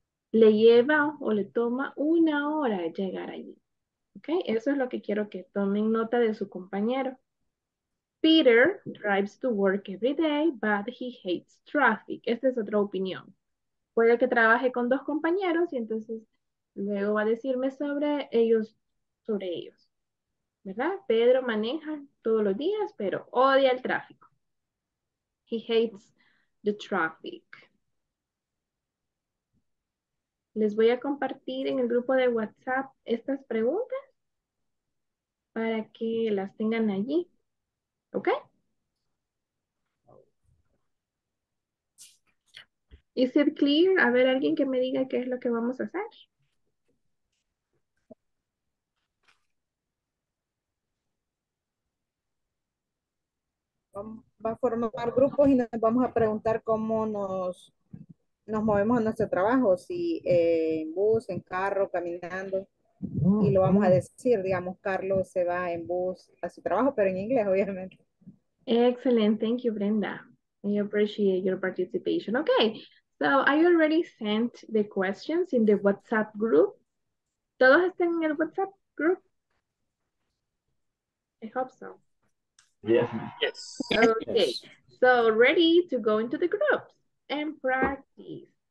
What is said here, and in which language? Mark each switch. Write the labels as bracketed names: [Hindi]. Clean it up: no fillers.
[Spanish] Le lleva o le toma 1 hora llegar allí. Okay, eso es lo que quiero que tomen nota de su compañero. [English] Peter drives to work every day, but he hates traffic. [Spanish] Esta es otra opinión. Puede que trabaje con 2 compañeros y entonces luego va a decirme sobre ellos. ¿Verdad? Pedro maneja todos los días, pero odia el tráfico. [English] He hates the traffic. [Spanish] Les voy a compartir en el grupo de WhatsApp estas preguntas para que las tengan allí. ¿Ok? [English] ¿Is it clear? [Spanish] A ver, alguien que me diga qué es lo que vamos a hacer. Va a formar grupos y nos vamos a preguntar cómo nos movemos a nuestro trabajo, si en bus, en carro, caminando, y lo vamos a decir, digamos, Carlos se va en bus a su trabajo, pero en inglés, obviamente. [English] Excellent, thank you, Brenda. I appreciate your participation. Okay, so I already sent the questions in the WhatsApp group. [Spanish] ¿Todos están en el WhatsApp group? [English] I hope so. Yes. Okay, yes. So ready to go into the groups and practice.